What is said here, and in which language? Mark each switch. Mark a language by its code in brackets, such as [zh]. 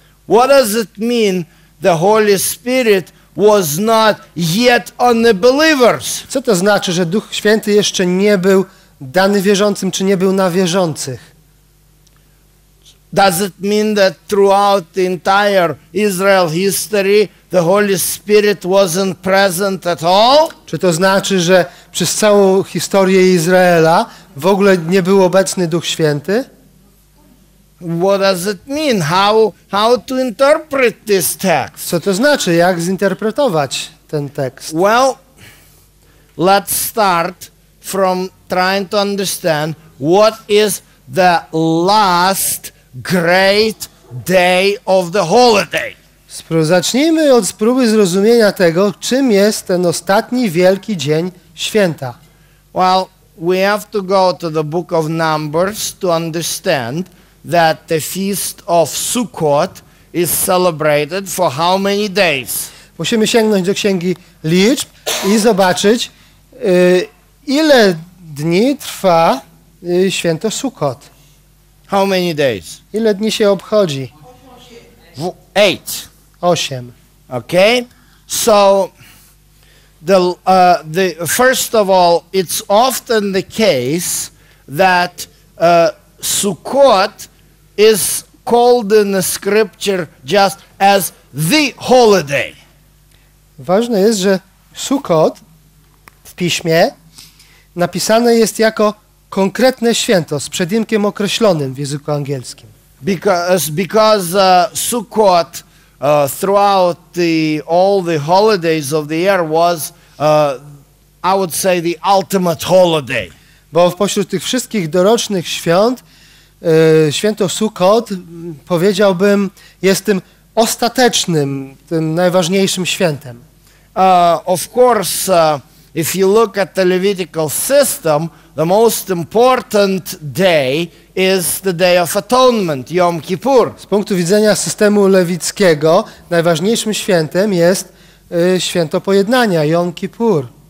[en] What does it mean the Holy Spirit was not yet on the believers? [pl] Co to znaczy, że Duch Święty jeszcze nie był dany wierzącym, czy nie był na wierzących? [en] Does it mean that throughout the entire Israel history the Holy Spirit wasn't present at all? [pl] Czy to znaczy, że przez całą historię Izraela w ogóle nie był obecny Duch Święty? [en] What does it mean? How to interpret this text? [pl] Co to znaczy? Jak zinterpretować ten tekst? [en] Well, let's start from trying to understand what is the last great day of the holiday. [pl] Zacznijmy od spróby zrozumienia tego, czym jest ten ostatni wielki dzień święta. [en] Well, we have to go to the book of Numbers to understand that the feast of Sukkot is celebrated for how many days. [pl] Musimy sięgnąć do księgi liczb i zobaczyć, ile dni trwa święto Sukkot. [en] How many days? [pl] Ile dni się obchodzi? 8. 8. [en] Okay. So the first of all, it's often the case that Sukkot is called in the scripture just as the holiday. [pl] Ważne jest, że Sukkot w piśmie napisane jest jako konkretne święto z przedimkiem określonym w języku angielskim. [en] Because Sukkot throughout all the holidays of the year was I would say the ultimate holiday. [pl] Bo pośród tych wszystkich dorocznych świąt święto Sukkot, powiedziałbym, jest tym ostatecznym, tym najważniejszym świętem. [en] Of course, if you look at the Levitical system, the most important day is the day of atonement, Yom Kippur. [pl] Z punktu widzenia systemu lewickiego, najważniejszym świętem jest święto pojednania, Yom Kippur.